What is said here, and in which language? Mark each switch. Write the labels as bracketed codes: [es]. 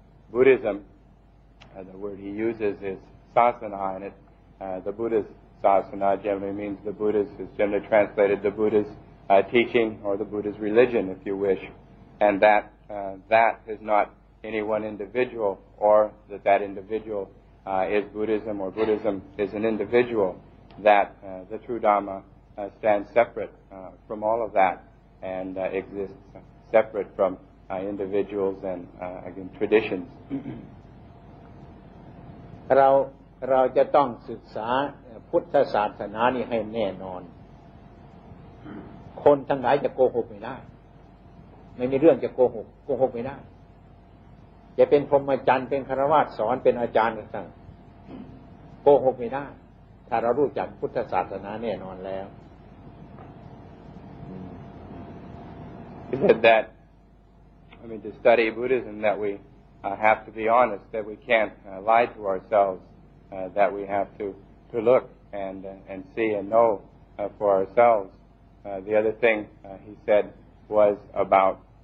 [en] Buddhism, the word he uses is sasana, and it, the Buddha's sasana generally means the Buddha's, is generally translated the Buddha's teaching or the Buddha's religion, if you wish, and that that is not any one individual, or that that individual is Buddhism, or Buddhism is an individual. That the true Dhamma stands separate from all of that and exists separate from individuals and again traditions. [th] เราจะต้องศึกษาพุทธศาสนานี่ให้แน่นอนคนทั้งหลายจะโกหกไม่ได้ไม่มีเรื่องจะโกหกไม่ได้จะเป็นพรหมจรรย์เป็นฆราวาสสอนเป็นอาจารย์ต่างโกหกไม่ได้ถ้าเรารู้จักพุทธศาสนาแน่นอนแล้ว [en] He said that to study Buddhism that we have to be honest that we can't lie to ourselves that we have to look and see and know for ourselves the other thing he said was about